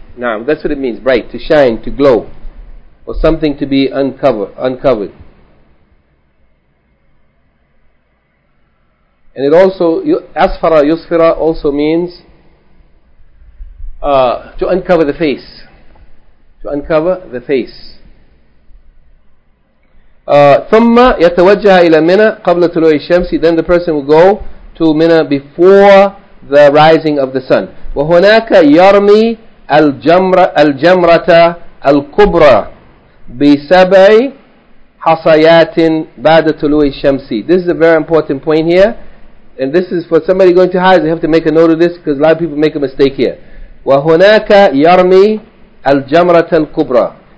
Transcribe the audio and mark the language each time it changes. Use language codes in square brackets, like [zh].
[en] Now, that's what it means, bright, to shine, to glow, or something to be uncovered. And it also, asfara, yusfira, also means to uncover the face. To uncover the face. [ar] ثم يتوجه إلى منى قبل طلوع الشمس. [en] Then the person will go to Mina before the rising of the sun. [ar] وهناك يرمي الجمرة الكبرى بسبع حصيات بعد طلوع الشمس. [en] This is a very important point here, and this is for somebody going to Hajj. They have to make a note of this because a lot of people make a mistake here. [ar] وهناك يرمي الجمرة الكبرى.